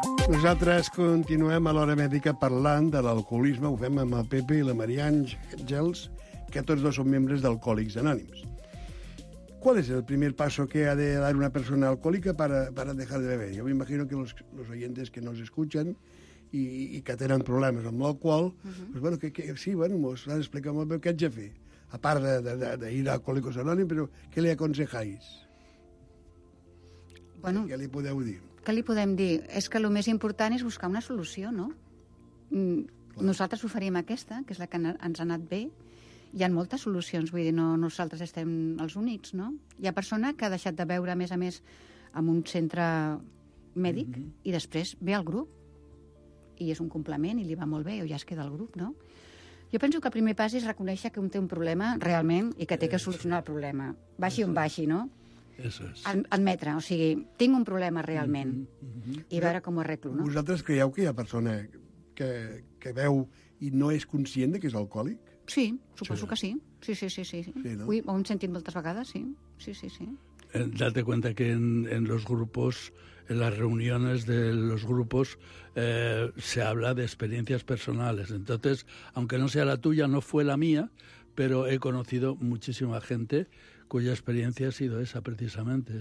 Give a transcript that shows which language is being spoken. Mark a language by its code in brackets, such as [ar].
[ca] Nosaltres continuem a L'Hora Mèdica parlant de l'alcoholisme. Ho fem amb el Pepe i la Maria Àngels, que tots dos són membres d'Alcohòlics Anònims. [es] ¿Cuál es el primer paso que ha de dar una persona alcohólica para dejar de beber? Yo me imagino que los oyentes que nos escuchan y que [ca] tenen problemes amb l'alcohol, [es] pues bueno, [ca] vos l'has explicat molt bé, què haig de fer? A part d'ir a Alcohòlicos Anònims, però què li aconsejáis? Bueno, què li podeu dir? Què li podem dir? És que el més important és buscar una solució, no? Nosaltres oferim aquesta, que és la que ens ha anat bé. Hi ha moltes solucions, vull dir, no nosaltres estem els únics, no? Hi ha persona que ha deixat de beure, a més, en un centre mèdic, i després ve al grup, i és un complement i li va molt bé, o ja es queda al grup, no? Jo penso que el primer pas és reconèixer que un té un problema realment i que té que solucionar el problema, baixi on baixi, no? Admetre, o sigui, tinc un problema realment i a veure com ho arreglo, no? Vosaltres creieu que hi ha persona que veu i no és conscient de que és alcohòlic? Sí, suposo que sí. Sí, no? Ho hem sentit moltes vegades, sí. [es] Date cuenta que en los grupos, en las reuniones de los grupos, se habla de experiencias personales. Entonces, aunque no sea la tuya, no fue la mía, pero he conocido muchísima gente cuya experiencia ha sido esa, precisamente.